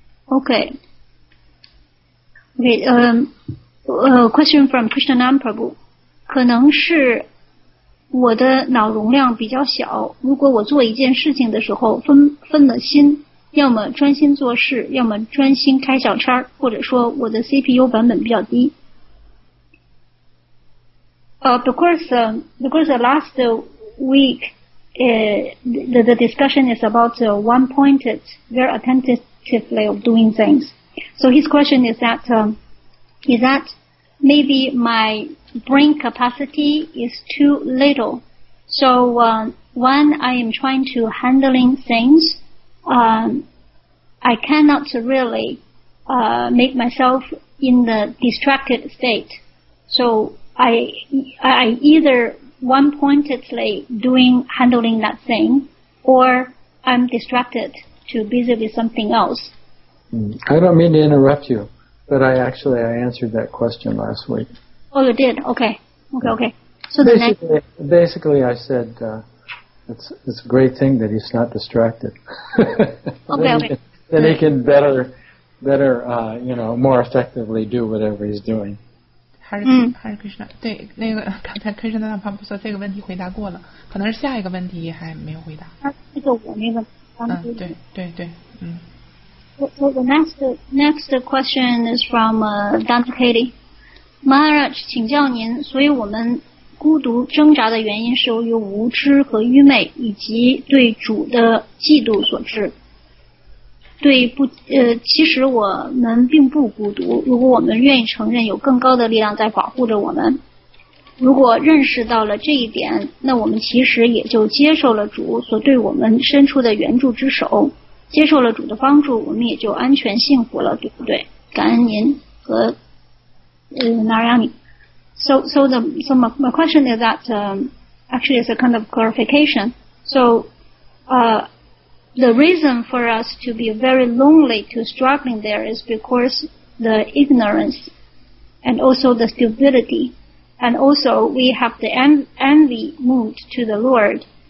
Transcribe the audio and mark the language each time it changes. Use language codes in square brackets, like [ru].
[en] Okay. Okay, question from Krishnanam Prabhu. [zh] 可能是我的脑容量比较小，如果我做一件事情的时候分了心，要么专心做事，要么专心开小差，或者说我的 CPU 版本比较低。 [en] Because last week, the discussion is about one-pointed, very attentively of doing things. So his question is that, maybe my brain capacity is too little. So when I am trying to handling things, I cannot really make myself in the distracted state. So I either one-pointedly handling that thing, or I'm distracted too busy with something else. I don't mean to interrupt you, but I answered that question last week. Oh, you did? Okay. Okay, okay. So basically, I said it's a great thing that he's not distracted. Okay, then okay. Then he can more effectively do whatever he's doing. Hare Krishna. [zh] 对，那个刚才 Krishna 那旁边说这个问题回答过了，可能是下一个问题还没有回答。那个我那个。对，嗯。 [en] So the next question is from Dante Kelly. [zh] Maharaj, 请教您，所以我们孤独挣扎的原因是由于无知和愚昧，以及对主的嫉妒所致。对不，其实我们并不孤独，如果我们愿意承认有更高的力量在保护着我们，如果认识到了这一点，那我们其实也就接受了主所对我们伸出的援助之手。接受了主的帮助，我们也就安全幸福了，对不对？感恩您和Narayani. [en] So my question is that actually it's a kind of clarification. So the reason for us to be very lonely to struggling there is because the ignorance and also the stupidity, and also we have the envy mood to the Lord.